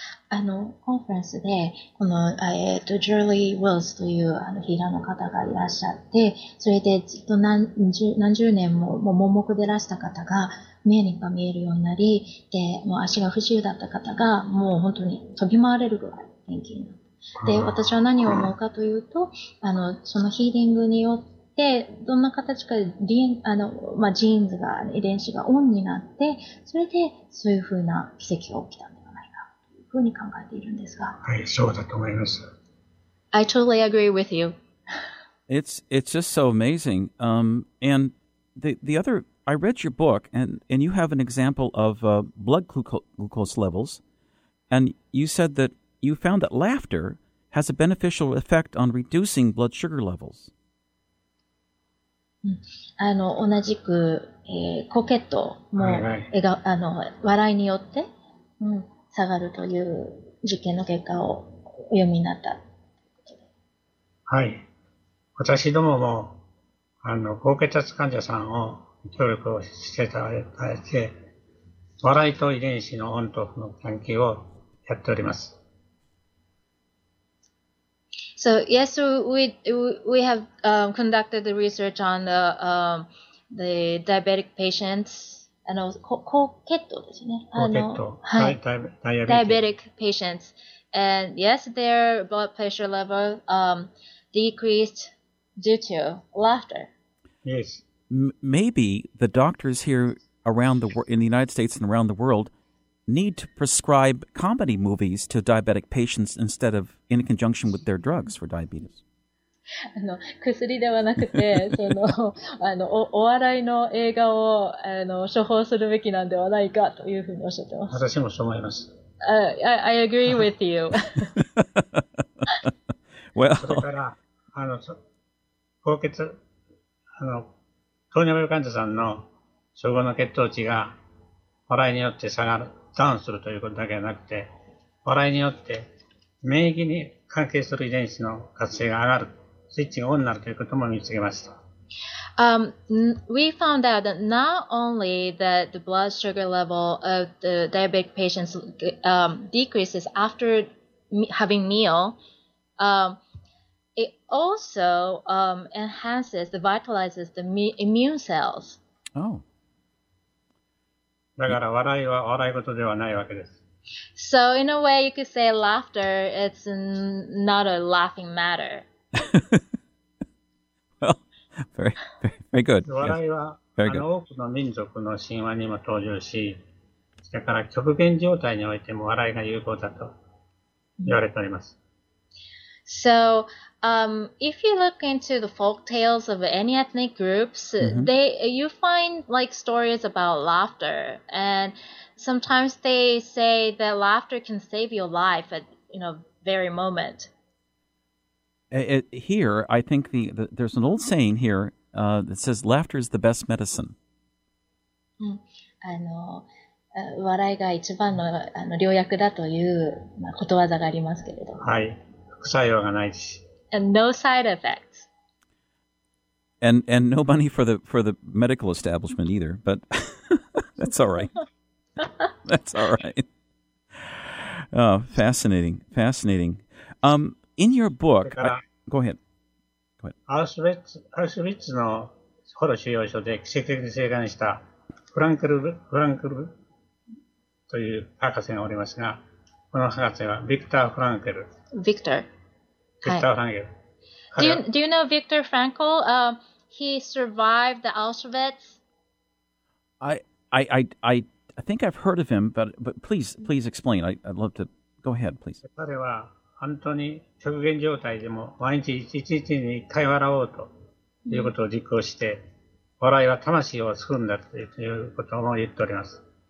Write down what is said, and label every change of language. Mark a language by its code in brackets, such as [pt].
[ja] あのコンフェンスでこのジュリー・ウィルスというヒーラーの方がいらっしゃって、それでずっと何十年 も盲目でらした方が目にか見えるようになり、でもう足が不自由だった方がもう本当に飛び回れるぐらい元気になって、で私は何を思うかというと、そのヒーリングによってどんな形かジーンズが遺伝子がオンになって、それでそういうふうな奇跡が起きたふうに考えているんですが、はい、そうだと思います。 [en] I totally agree with you. It's just so amazing. And the other, I read your book, and you have an example of blood glucose levels, and you said that you found that laughter has a beneficial effect on reducing blood sugar levels. [ja] 同じく、コケットも、笑いによって、下がるという実験の結果をお読みになった。はい、私どもも高血圧患者さんを協力をしていただいて、笑いと遺伝子のオンとオフの関係をやっております。 [en] So yes, we have conducted the research on the diabetic patientsDiabetic patients. And yes, their blood pressure level decreased due to laughter. Yes. Maybe the doctors here around the in the United States and around the world need to prescribe comedy movies to diabetic patients instead of in conjunction with their drugs for diabetes? [ja] あの薬ではなくてそのあの お笑いの映画をあの処方するべきなんではないかというふうにおっしゃってます。私もそう思います。 [en] I agree with you. Well, [ja] それからあの高血あの糖尿病患者さんの食後の血糖値が笑いによって下がるダウンするということだけじゃなくて笑いによって免疫に関係する遺伝子の活性が上がるスイッチがオンになるということも見つけました。 [en] We found out that not only that the blood sugar level of the diabetic patients decreases after having meal, it also enhances, vitalizes the immune cells. Oh. [ja] だから笑いは笑い事ではないわけです。 [en] So in a way you could say laughter, it's not a laughing matter. Very, very, very good. [ja] 笑いは、 [en] yes. very good. [ja] あの多くの民族の神話にも登場し、それから極限状態においても笑いが有効だと言われております。 [en] So, if you look into the folk tales of any ethnic groups,、mm-hmm. you find like stories about laughter, and sometimes they say that laughter can save your life at you know very moment. Here, I think there's an old saying here that says, laughter is the best medicine. [ja] あの、笑いが一番の、あの、療薬だという、まあ、ことわざがありますけれども。はい。副作用がないし。 [en] And no side effects. And no money for the medical establishment either, but that's all right. That's all right. Oh, fascinating, fascinating. In your book, go ahead. [ja] アウシュビッツの捕虜収容所で奇跡的に生還したフランクルという博士がおりますが、この博士はビクター・フランクル。ビクター ・フランクル。 [en] Do you know Viktor Frankl? He survived the Auschwitz? I think I've heard of him, but please explain. I'd love to. Go ahead, please. [ja] 彼は本当に極限状態でも毎日一日に一回笑おうということを実行して、笑いは魂を救うんだということも言っております。